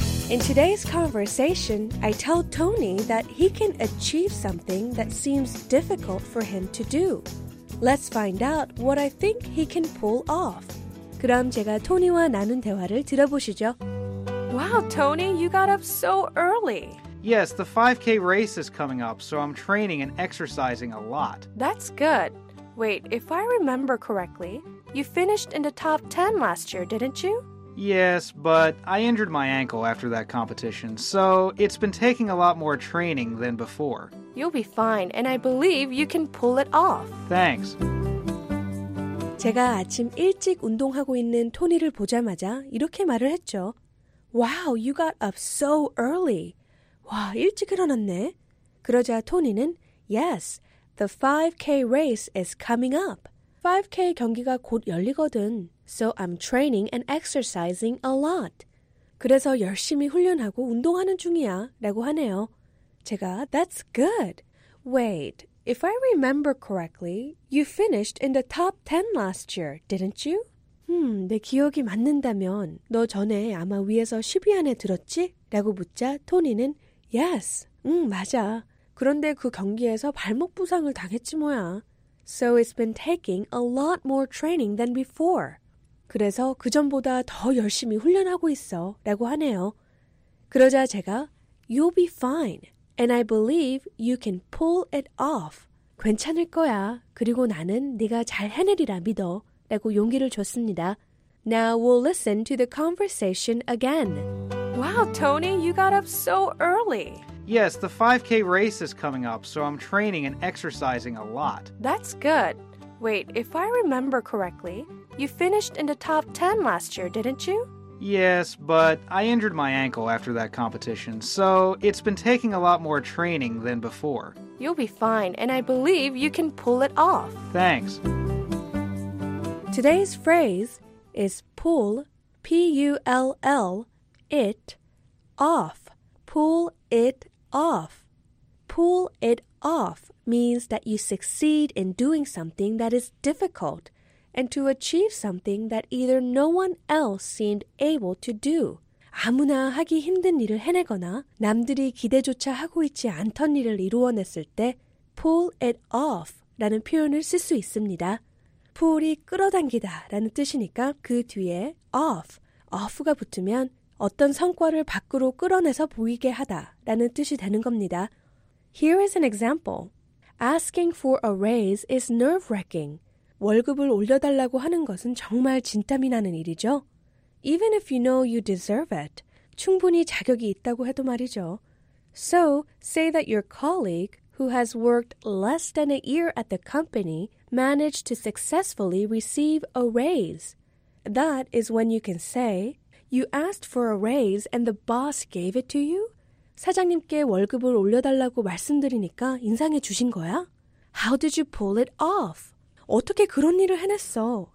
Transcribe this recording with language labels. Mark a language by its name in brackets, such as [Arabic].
[English] In today's conversation, I tell Tony that he can achieve something that seems difficult for him to do. Let's find out what I think he can pull off. [Korean] 그럼 제가 토니와 나눈 대화를 들어보시죠. [English] Wow, Tony, you got up so early. Yes, the 5K race is coming up, so I'm training and exercising a lot. That's good. Wait, if I remember correctly, you finished in the top 10 last year, didn't you? Yes, but I injured my ankle after that competition, so it's been taking a lot more training than before. You'll be fine, and I believe you can pull it off. Thanks. [Korean] 제가 아침 일찍 운동하고 있는 토니를 보자마자 이렇게 말을 했죠. [English] Wow, you got up so early. [Korean] 와, 일찍 일어났네. 그러자 토니는 [English] Yes, the 5K race is coming up. 5K [Korean] 경기가 곧 열리거든. [English] So I'm training and exercising a lot. [Korean] 그래서 열심히 훈련하고 운동하는 중이야 라고 하네요. 제가 [English] That's good. Wait, if I remember correctly, you finished in the top 10 last year, didn't you? [Korean] 내 기억이 맞는다면 너 전에 아마 위에서 10위 안에 들었지? 라고 묻자 토니는 [English] Yes, [Korean] 맞아. 그런데 그 경기에서 발목 부상을 당했지 뭐야. [English] So it's been taking a lot more training than before. [Korean] 그래서 그 전보다 더 열심히 훈련하고 있어 라고 하네요. 그러자 제가 [English] You'll be fine and I believe you can pull it off. [Korean] 괜찮을 거야. 그리고 나는 네가 잘 해내리라 믿어 라고 용기를 줬습니다. [English] Now we'll listen to the conversation again. Wow, Tony, you got up so early. Yes, the 5K race is coming up, so I'm training and exercising a lot. That's good. Wait, if I remember correctly, you finished in the top 10 last year, didn't you? Yes, but I injured my ankle after that competition, so it's been taking a lot more training than before. You'll be fine, and I believe you can pull it off. Thanks. Today's phrase is pull, P-U-L-L, it, off. Pull it off. Pull it off means that you succeed in doing something that is difficult and to achieve something that either no one else seemed able to do. [Korean] 아무나 하기 힘든 일을 해내거나 남들이 기대조차 하고 있지 않던 일을 이루어냈을 때 [English] pull it off [Korean] 라는 표현을 쓸 수 있습니다. 풀이 끌어당기다 라는 뜻이니까 그 뒤에 off, off가 붙으면 어떤 성과를 밖으로 끌어내서 보이게 하다 라는 뜻이 되는 겁니다. [English] Here is an example. Asking for a raise is nerve-wracking. [Korean] 월급을 올려달라고 하는 것은 정말 진땀이 나는 일이죠. [English] Even if you know you deserve it. [Korean] 충분히 자격이 있다고 해도 말이죠. [English] So, say that your colleague who has worked less than a year at the company managed to successfully receive a raise. That is when you can say, You asked for a raise and the boss gave it to you? [Korean] 사장님께 월급을 올려달라고 말씀드리니까 인상해 주신 거야? [English] How did you pull it off? [Korean] 어떻게 그런 일을 해냈어?